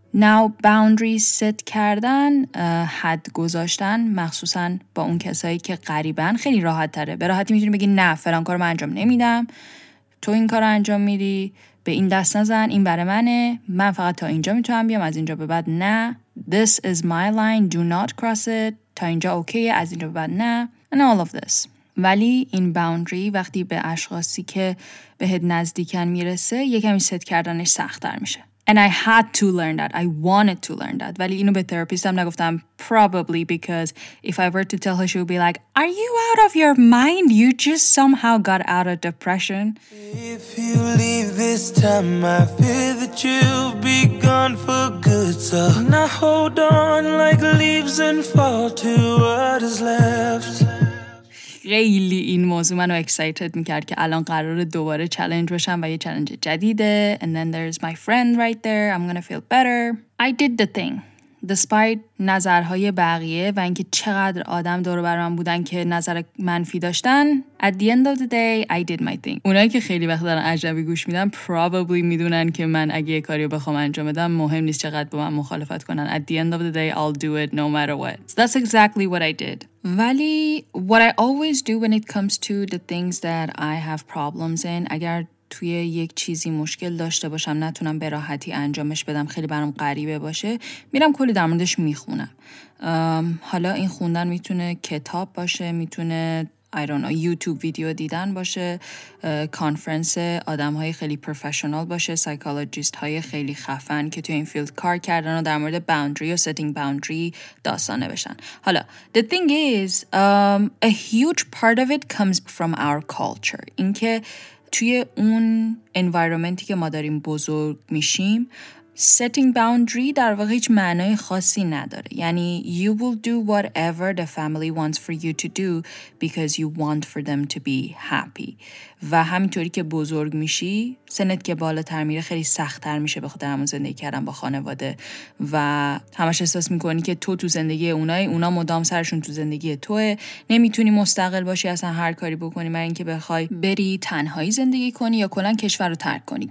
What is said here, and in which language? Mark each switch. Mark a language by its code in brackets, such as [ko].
[en] Now boundary set [fa] کردن، حد گذاشتن، مخصوصا با اون کسایی که قریبن، خیلی راحت تره. به راحتی میتونی بگی نه، فلان کارو من انجام نمیدم، تو این کارو انجام میدی، به این دست نزن، این برای منه، من فقط تا اینجا میتونم بیام، از اینجا به بعد نه. [en] This is my line, do not cross it. [fa] تا اینجا اوکیه، از اینجا به بعد نه. [en] And all of this. [fa] ولی این باوندری وقتی به اشخاصی که بهت نزدیکن میرسه، یکمی ست کردنش سخت‌تر میشه. [en] And I had to learn that. I wanted to learn that. [fa] ولی اینو به تراپیستم نگفتم. [en] Probably because if I were to tell her, she would be like, are you out of your mind? You just somehow got out of depression. If you leave this time, I fear that you'll be gone for good. So now hold on like leaves and fall to what is left. [fa] خیلی این موضوع منو اکسایتد میکرد که الان قراره دوباره چالش بشم و یه چالش جدیده. [en] And then there's my friend right there. I'm gonna feel better. I did the thing. Despite [fa] نظرهای بقیه و اینکه چقدر آدم دور و بر من بودن که نظر منفی داشتن، [en] at the end of the day I did my thing. [fa] اونایی که خیلی وقت دارن عجبی گوش میدن [en] probably [fa] میدونن که من اگه یه کاری رو بخوام انجام بدم، مهم نیست چقدر با من مخالفت کنن، [en] at the end of the day I'll do it no matter what. So that's exactly what I did. [fa] ولی [en] what I always do when it comes to the things that I have problems in، [fa] اگر توی یک چیزی مشکل داشته باشم نتونم به راحتی انجامش بدم، خیلی برام غریبه باشه، میرم کلی در موردش میخونم. حالا این خوندن میتونه کتاب باشه، میتونه [en] I don't know, [fa] YouTube ویدیو دیدن باشه، کانفرنس آدم های خیلی پروفشنال باشه، سایکولوژیست های خیلی خفن که تو این فیلد کار کردن و در مورد باوندری و سیتینگ باوندری داستانه بشن. حالا [en] the thing is a huge part of it comes from our culture. [fa] این که توی اون انوایرومنتی که ما داریم بزرگ میشیم setting boundary در واقع هیچ معنای خاصی نداره. یعنی [en] you will do whatever the family wants for you to do because you want for them to be happy. [fa] و همینطوری که بزرگ میشی سنت که بالاتر میره خیلی سخت‌تر میشه به خاطر همون زندگی کردن با خانواده و همش احساس میکنی که تو زندگی اونای اونا مدام سرشون تو زندگی توه، نمیتونی مستقل باشی، اصلا هر کاری بکنی مگر اینکه بخوای بری تنهایی زندگی کنی یا کلا کشور رو ترک کنی.